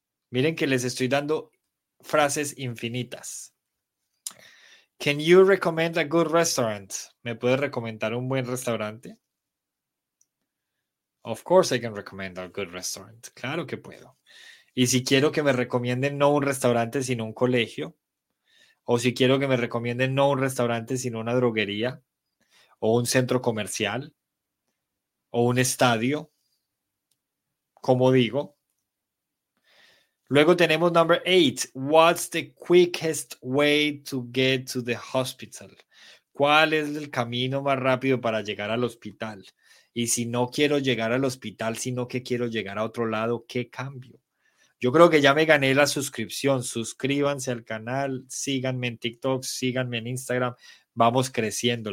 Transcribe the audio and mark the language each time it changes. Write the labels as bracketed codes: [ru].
[es] Miren que les estoy dando frases infinitas. [en] Can you recommend a good restaurant? [es] ¿Me puedes recomendar un buen restaurante? [en] Of course I can recommend a good restaurant. [es] Claro que puedo. Y si quiero que me recomienden no un restaurante, sino un colegio. O si quiero que me recomienden no un restaurante, sino una droguería. O un centro comercial. O un estadio. Como digo. Luego tenemos [en] number 8. What's the quickest way to get to the hospital? [es] ¿Cuál es el camino más rápido para llegar al hospital? Y si no quiero llegar al hospital, sino que quiero llegar a otro lado, ¿qué cambio? Yo creo que ya me gané la suscripción. Suscríbanse al canal, síganme en TikTok, síganme en Instagram. Vamos creciendo.